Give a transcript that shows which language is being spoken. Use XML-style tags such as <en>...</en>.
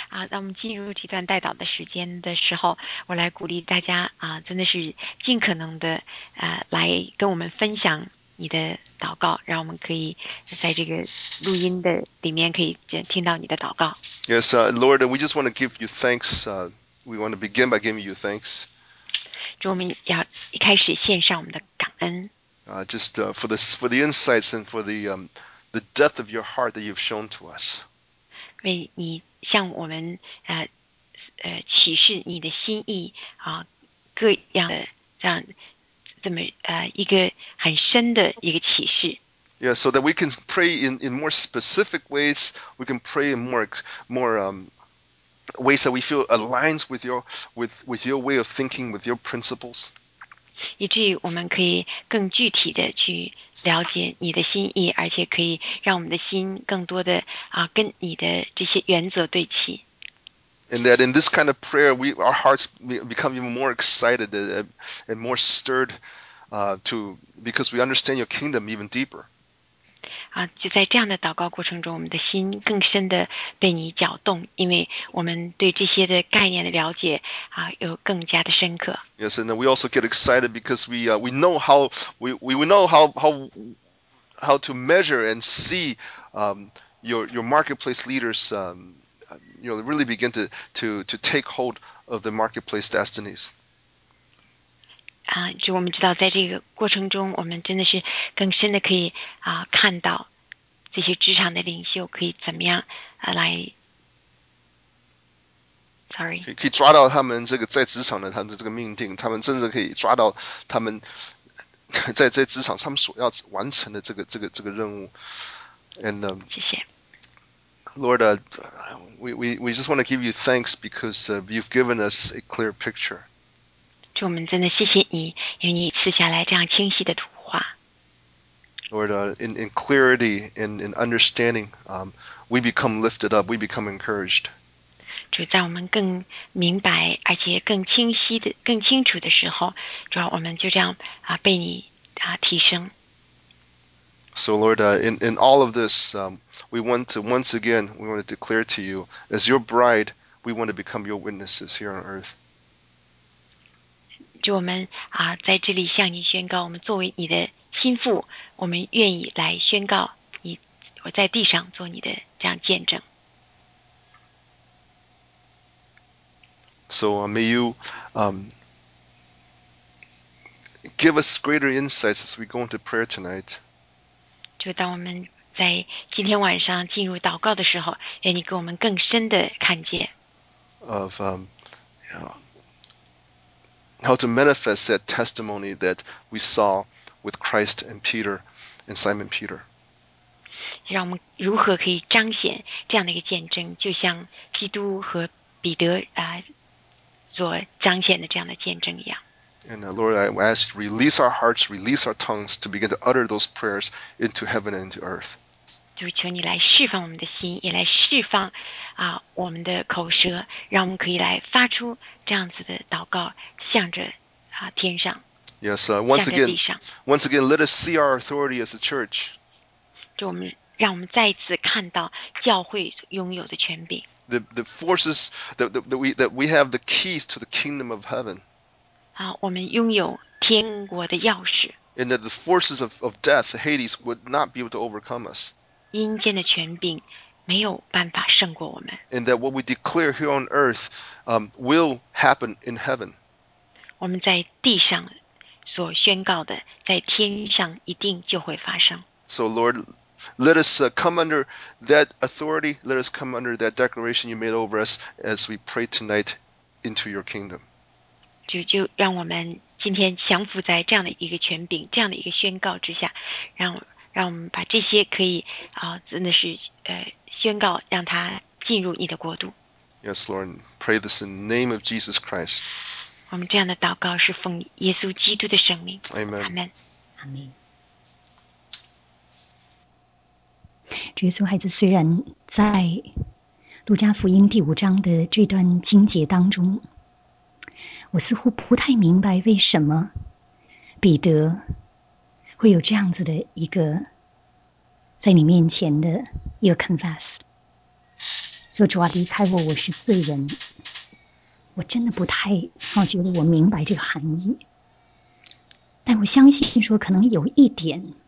<zh>那我们进入这段代祷的时间的时候，我来鼓励大家真的是尽可能的来跟我们分享你的祷告，让我们可以在这个录音的里面可以听到你的祷告。</zh> <en>Yes, Lord, we just want to give you thanks. We want to begin by giving you thanks.</en> <zh>主，我们要一开始献上我们的感恩。</zh> <en>For the insights and for the depth of your heart that you've shown to us.</en> <zh>为你向我们启示你的心意各样的这样。这么一个很深的一个启示。</zh> <en>Yeah, so that we can pray in more specific ways, we can pray in more ways that we feel aligns with your way of thinking, with your principles.</en> <zh>以至于我们可以更具体的去了解你的心意，而且可以让我们的心更多的跟你的这些原则对齐。</zh> <en>And that in this kind of prayer, our hearts become even more excited and more stirred, because we understand your kingdom even deeper.</en> <zh>就在这样的祷告过程中，我们的心更深的被你搅动，因为我们对这些的概念的了解又更加的深刻。</zh> <en>Yes, and then we also get excited because we know how to measure and see your marketplace leaders. Really begin to take hold of the marketplace destinies.</en> <zh>就我们知道，在这个过程中，我们真的是更深的可以看到这些职场的领袖可以怎么样来 ，</zh> <en>sorry，</en> <zh>可以抓到他们这个在职场的他们的这个命定，他们真的可以抓到他们在职场他们所要完成的这个任务。</zh> <en>And</en> <zh>谢谢。</zh> <en>Lord, we just want to give you thanks because you've given us a clear picture.</en> <zh>主，我们真的谢谢你，因为你赐下来这样清晰的图画。</zh> <en>Lord, in clarity, in understanding, we become lifted up, we become encouraged.</en> <zh>主，在我们更明白而且更清晰的、更清楚的时候，主，我们就这样啊被你啊提升。</zh> <en>So Lord, in all of this, we want to once again, we want to declare to you, as your bride, we want to become your witnesses here on earth.</en> <zh>就我们啊，在这里向你宣告，我们作为你的心腹，我们愿意来宣告你，我在地上做你的这样见证。</zh> <en>So may you give us greater insights as we go into prayer tonight.</en> <zh>就当我们在今天晚上进入祷告的时候，愿你给我们更深的看见。</zh> <en>Of how to manifest that testimony that we saw with Christ and Peter and Simon Peter.</en> <zh>让我们如何可以彰显这样的一个见证，就像基督和彼得啊所彰显的这样的见证一样。</zh> <en>And Lord, I ask, release our hearts, release our tongues to begin to utter those prayers into heaven and into earth.</en> <zh>主，求你来释放我们的心，也来释放啊我们的口舌，让我们可以来发出这样子的祷告，向着啊天上。</zh> <en>Yes, once again, let us see our authority as a church.</en> <zh>主，我们让我们再一次看到教会拥有的权柄。</zh> <en>The forces that we have the keys to the kingdom of heaven.</en> <zh>我们拥有天国的钥匙。</zh> <en>And that the forces of death, Hades, would not be able to overcome us.</en> <zh>阴间的权柄没有办法胜过我们。</zh> <en>And that what we declare here on earth, will happen in heaven.</en> <zh>我们在地上所宣告的，在天上一定就会发生。</zh> <en>So Lord, let us come under that authority, let us come under that declaration you made over us as we pray tonight into your kingdom.</en> <zh>就让我们今天降服在这样的一个权柄，这样的一个宣告之下，让我们把这些可以真的是宣告，让它进入你的国度。</zh> <en>Yes, Lord, pray this in the name of Jesus Christ.</en> <zh>我们这样的祷告是奉耶稣基督的圣名。</zh> <en>Amen. Amen. Amen.</en> <zh>这个小孩子虽然在路加福音第五章的这段经节当中。我似乎不太明白为什么彼得会有这样子的一个在你面前的一个</zh> <en>confess</en> <zh>说主啊离开我我是罪人我真的不太好觉得我明白这个含义但我相信说可能有一点</zh>